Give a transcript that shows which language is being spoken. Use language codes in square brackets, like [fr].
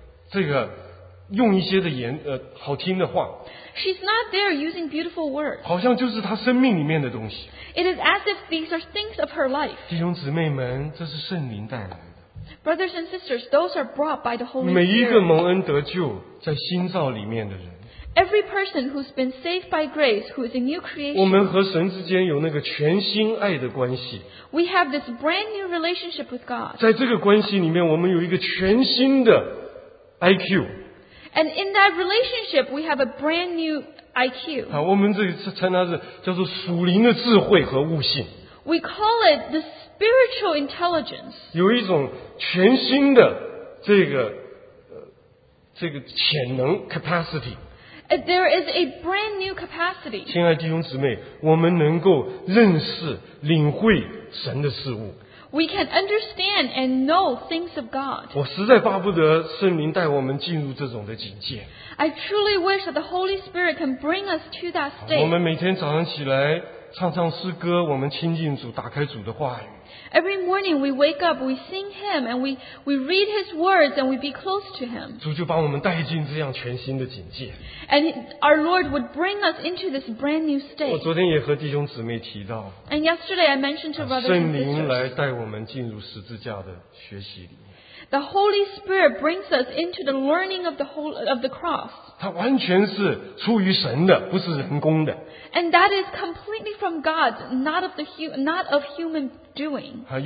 [zh] 她不是在那里这个用一些的言, 好听的话, [en] she's not there using beautiful words. [zh] 好像就是她生命里面的东西, [en] it is as if these are things of her life. [zh] 弟兄姊妹们, 这是圣灵带来的。 [en] Brothers and sisters, those are brought by the Holy Spirit. [zh] 每一个蒙恩得救, 在新造里面的人, [en] every person who's been saved by grace, who is a new creation, [zh] 我们和神之间有那个全新爱的关系, [en] we have this brand new relationship with God. [zh] 在这个关系里面, 我们有一个全新的IQ. [en] And in that relationship, we have a brand new IQ. [zh] 啊, 我们这里称它是叫做属灵的智慧和悟性。 [en] We call it the spiritual intelligence. [zh] 有一种全新的这个潜能, capacity. [en] There is a brand new capacity. [zh] 亲爱弟兄姊妹, 我们能够认识, 领会神的事物。 [en] We can understand and know things of God. [zh] 我实在巴不得圣灵带我们进入这种的境界。 [en] I truly wish that the Holy Spirit can bring us to that state. [zh] 我们每天早上起来唱唱诗歌，我们亲近主，打开主的话语。 [en] Every morning we wake up, we sing Him, and we read His words, and we be close to Him. [zh] 主就把我们带进这样全新的境界。 [en] And our Lord would bring us into this brand new state. [zh] 我昨天也和弟兄姊妹提到。 [en] And yesterday I mentioned to brothers and sisters. [zh] 圣灵来带我们进入十字架的学习里。 [en] The Holy Spirit brings us into the learning of the cross. [zh] 它完全是出于神的，不是人工的。 [en] And that is completely from God, not of human doing.